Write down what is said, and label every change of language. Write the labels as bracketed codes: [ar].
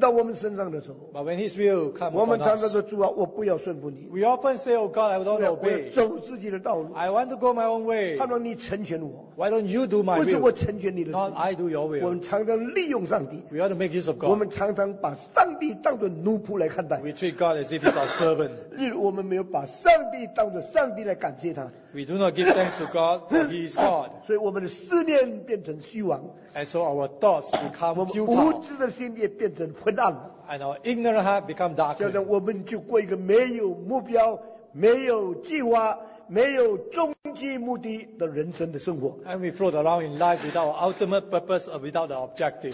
[zh] 当上帝的旨意临到我们身上的时候, [en] But when His will comes, [zh] 我们常常说主啊, 我不要顺服你, [en] We often say, Oh God, I don't obey. [zh] 我走自己的道路, [en] I want to go my own way. [zh] 他说你成全我, [en] Why don't you do my will? Not I do your will. [zh] 我们常常利用上帝, [en] We ought to make use of God. [zh] 我们常常把上帝当作奴仆来看待, [en] We treat God as if He's our servant. [zh] 我们没有把上帝当作上帝来感谢他, [en] We do not give thanks to God, for He is God. [zh] 所以我们的思念变成虚妄, [en] and so our thoughts become futile. [zh] 我们无知的心也变成昏暗, [en] and our ignorant heart become darker. [zh] 现在我们就过一个没有目标, 没有计划, 没有终极目的的人生的生活, [en] and we float around in life without our ultimate purpose or without the objective.